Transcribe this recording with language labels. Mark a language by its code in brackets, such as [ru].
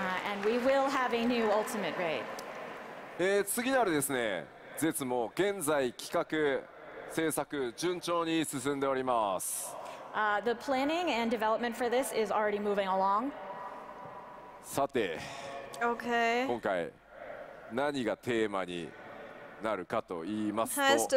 [en] And we will have a new ultimate raid. [ja] 次なるですね、ゼツも現在企画、制作、順調に進んでおります。 [en] The planning and development for this is already moving along. [ja] さて、 [en] okay. [ja] 今回、何がテーマになるかと言いますと、